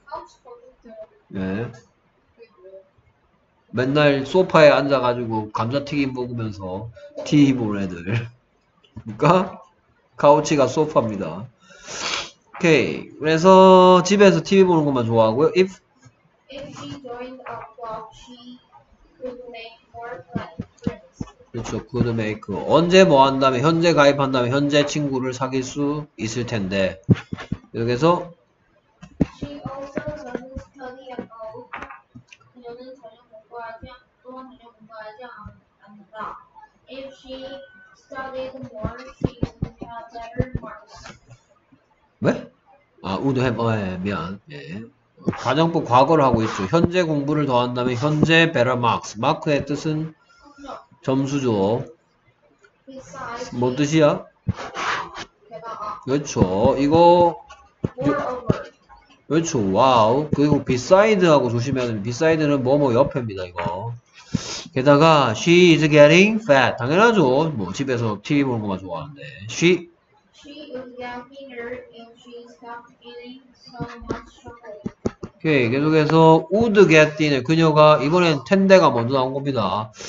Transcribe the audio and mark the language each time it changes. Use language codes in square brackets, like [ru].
[ko] 카우치 포테이토. 네. 맨날 소파에 앉아가지고 감자튀김 먹으면서 TV 보는 애들. 그러니까. 카우치가 소파입니다. 오케이. 그래서 집에서 TV 보는 것만 좋아하고요. [en] If she joined a club, she could make more friends. [ko] 그렇죠. [en] Could make. [ko] 언제 뭐 한다면, 현재 가입한다면, 현재 친구를 사귈 수 있을 텐데. 여기서 [en] She also doesn't study at all. [ko] 그녀는 전혀 공부하지 않는다. [en] If she studied more, she would have [ko] 왜? 아, [en] would have, [ko] 미안. 예. 가정법 과거를 하고 있죠. 현재 공부를 더 한다면 현재 [en] better marks. [ko] 마크의 뜻은 점수죠. 뭔 뜻이야? 그렇죠. 이거 그렇죠. 와우. 그리고 beside 하고 조심해야 됩니다. beside는 뭐뭐 옆에입니다, 이거. 게다가 [en] she is getting fat. [ko] 당연하죠. 뭐 집에서 TV 보는 것만 좋아하는데. [en] She is getting thinner and she is not eating so much chocolate. [ko] 오케이. 계속해서 [en] would get thinner. [ko] 그녀가 이번엔 텐데가 먼저 나온 겁니다.